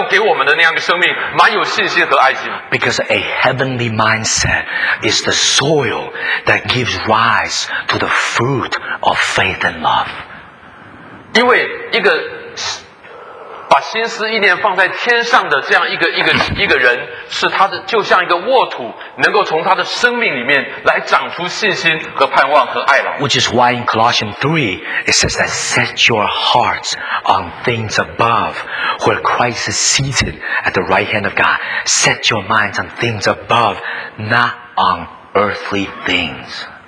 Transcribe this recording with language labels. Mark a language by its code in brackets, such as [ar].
[zh] 当我们能够更多的专注在那个从天上来的盼望，那个专注在上帝身上的盼望，我们就更有可能能够活出那样的生命，是当初上帝创造我们要给我们的那样的生命，满有信心和爱心。 [en] Because a heavenly mindset is the soil that gives rise to the fruit of faith and love. [zh] 因为一个 把心思意念放在天上的这样一个人，是他的就像一个沃土，能够从他的生命里面来长出信心和盼望和爱了。 [en] Which is why in Colossians 3 it says that set your hearts on things above, where Christ is seated at the right hand of God. Set your minds on things above, not on earthly things.